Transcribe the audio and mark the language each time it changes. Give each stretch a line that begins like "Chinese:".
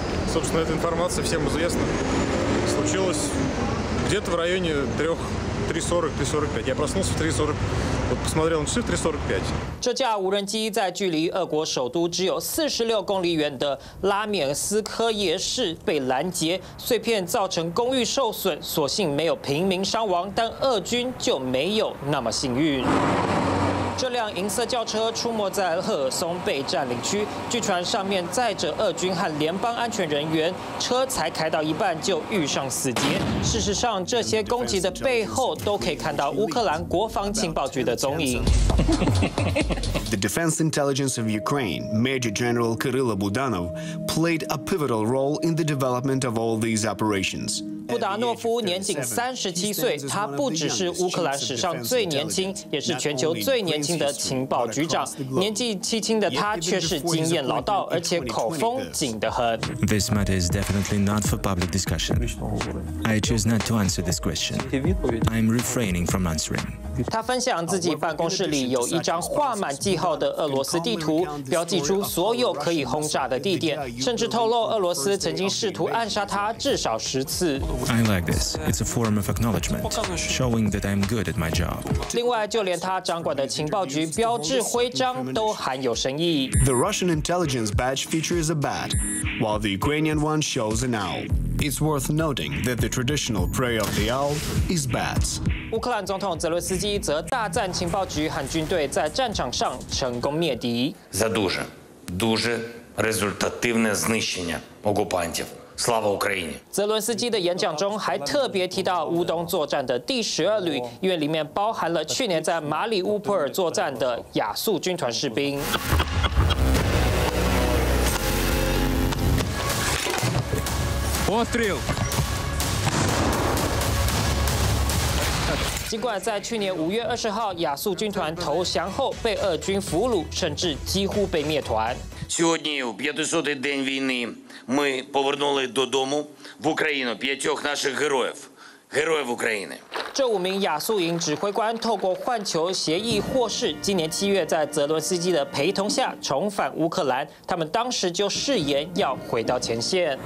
Russian: Собственно, эта информация всем известна. Случилось где-то в районе трех 3:40-3:45. Я проснулся в 3:40, вот посмотрел на часы, 3:45.
Chinese: 这架无人机在距离俄国首都只有46公里远的拉缅斯科夜市被拦截，碎片造成公寓受损，所幸没有平民伤亡，但俄军就没有那么幸运。这辆银色轿车出没在赫尔松被占领区，据传上面载着俄军和联邦安全人员，车才开到一半就遇上死劫。事实上，这些攻击的背后都可以看到乌克兰国防情报局的踪影。
English: The Defense Intelligence of Ukraine, Major General Kirill Budanov, played a pivotal role in the development of all these operations.
Chinese: 布达诺夫年仅37岁，他不只是乌克兰史上最年轻，也是全球最年轻的情报局长。年纪轻轻的他却是经验老道，而且口风紧得很。
English: This matter is definitely not for public discussion. I choose not to answer this question. I am refraining from answering.
Chinese: 他分享自己办公室里有一张画满记号的俄罗斯地图，标记出所有可以轰炸的地点，甚至透露俄罗斯曾经试图暗杀他至少10次。
English: I like this. It's a form of acknowledgement, showing that I'm good at my job.
Chinese: 另外，就连他掌管的情报局标志徽章都含有深意。
English: The Russian intelligence badge features a bat, while the Ukrainian one shows an owl. It's worth noting that the traditional prey of the owl is bats.
Chinese: 乌克兰总统泽伦斯基则大赞情报局和军队在战场上成功灭敌。
Ukrainian: За дуже, дуже результативне знищення окупантів。 Слава Україні！
Chinese: 泽伦斯基的演讲中还特别提到乌东作战的第12旅，因为里面包含了去年在马里乌波尔作战的亚速军团士兵。尽管在去年5月20号亚速军团投降后被俄军俘虏，甚至几乎被灭团。
Ukrainian: Сьогодні 500-й день війни ми повернули додому в Україну 5 наших героїв, героїв України.
Chinese: 这五名亚速营指挥官透过换球协议获释，今年7月在泽伦斯基的陪同下重返乌克兰。他们当时就誓言要回到前线。